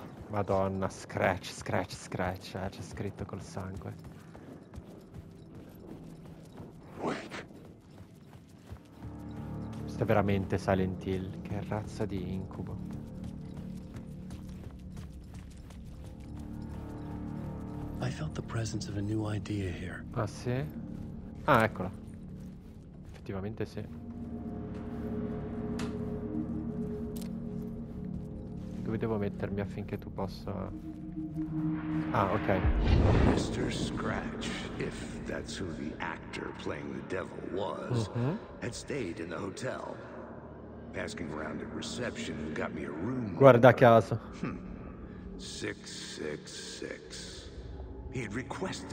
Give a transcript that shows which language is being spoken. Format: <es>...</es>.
<it>Madonna, scratch, scratch, scratch, c'è scritto col sangue. Questo è veramente Silent Hill, che razza di incubo.</it> <en>I felt the presence of a new idea here.</en> <it>Ah sì? Ah, eccola. Effettivamente sì. dove devo mettermi affinché tu possa... Ah, ok.</it> <en>Mr. Scratch, if that's who the actor playing the devil was, had stayed in the hotel. Asking around at reception got me a room.</en> <it>Guarda caso.</it> <en>666. He had requested</en>